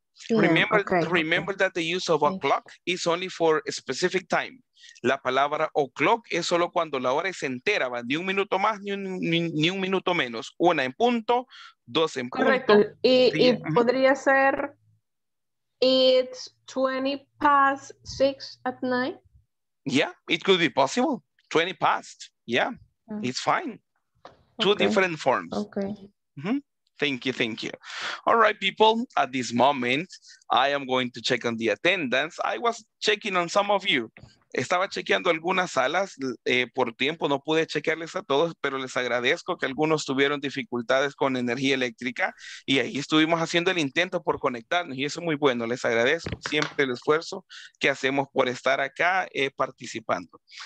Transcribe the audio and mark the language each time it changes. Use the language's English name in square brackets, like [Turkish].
[English] Remember that the use of o'clock is only for a specific time. [Spanish] La palabra o'clock es solo cuando la hora es entera, va ni un minuto más ni un minuto menos. Una en punto, dos en punto. Correcto. Y podría ser [English] it's 20 past 6 at night. Yeah, it could be possible. 20 past. Yeah, it's fine. Two different forms. Okay. Mm-hmm. Thank you. Thank you. All right, people. At this moment, I am going to check on the attendance. I was checking on some of you. [Spanish] Estaba chequeando algunas salas por tiempo. No pude chequearles a todos, pero les agradezco que algunos tuvieron dificultades con energía eléctrica. Y ahí estuvimos haciendo el intento por conectarnos. Y eso es muy bueno. Les agradezco siempre el esfuerzo que hacemos por estar acá participando.